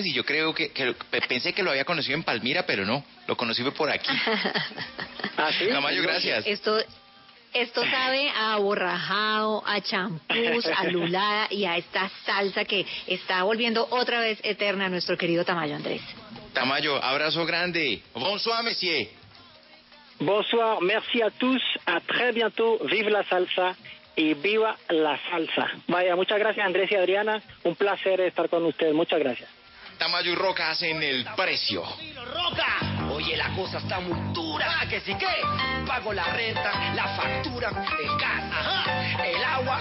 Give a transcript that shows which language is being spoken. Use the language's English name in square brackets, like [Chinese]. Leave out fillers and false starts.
[Spanish] Y yo creo que pensé que lo había conocido en Palmira, pero no, lo conocí por aquí. ¿Ah, sí? Tamayo, gracias. Esto sabe a aborrajado, a champús, a lulada y a esta salsa que está volviendo otra vez eterna a nuestro querido Tamayo Andrés. Tamayo, abrazo grande. [French] Bonsoir, monsieur. Bonsoir, merci a tous, a très bientôt, vive la salsa. [Spanish] Y viva la salsa. Vaya, muchas gracias Andrés y Adriana. Un placer estar con ustedes. Muchas gracias. Tamayo y Roca hacen el precio. Roca. Oye, la cosa está muy dura. ¿Ah, que sí qué? Pago la renta, la factura, el gas, ajá, el agua.